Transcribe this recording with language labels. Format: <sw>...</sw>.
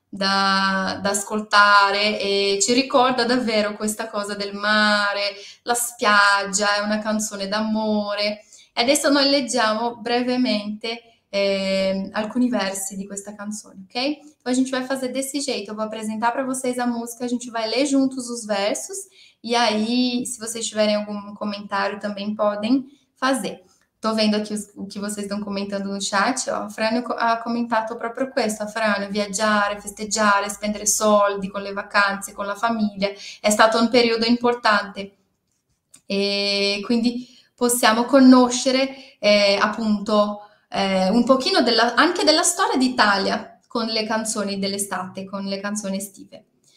<it>Da ascoltare e ci ricorda davvero questa cosa del mare, la spiaggia, è una canzone d'amore. E adesso noi leggiamo brevemente alcuni versi di questa canzone, ok?</it> <pt>Então a gente vai fazer desse jeito, eu vou apresentar para vocês a música, a gente vai ler juntos os versos e aí, se vocês tiverem algum comentário também podem fazer. Tô vendo aqui o que vocês estão comentando no chat, ó.</pt> <it>A Fran ha comentato proprio questo, a Fran, viaggiare, festeggiare, spendere soldi con le vacanze, con la famiglia, è stato un periodo importante e quindi possiamo conoscere appunto un pochino anche della storia d'Italia con le canzoni dell'estate, con le canzoni estive.</it>